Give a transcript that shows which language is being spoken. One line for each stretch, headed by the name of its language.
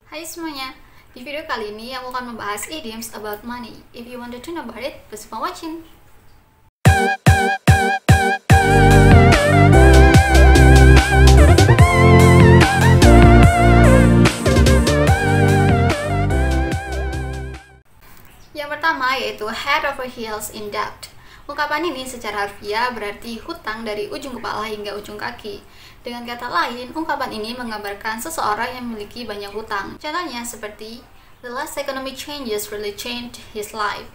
Indonesian: Hai semuanya, di video kali ini aku akan membahas
English: idioms about money. If you wanted to know about it, please keep watching.
Indonesian: Yang pertama yaitu
English: head over heels in debt.
Indonesian: Ungkapan ini secara harfiah berarti hutang dari ujung kepala hingga ujung kaki. Dengan kata lain, ungkapan ini menggambarkan seseorang yang memiliki banyak hutang. Contohnya seperti,
English: "The last economic changes really changed his life.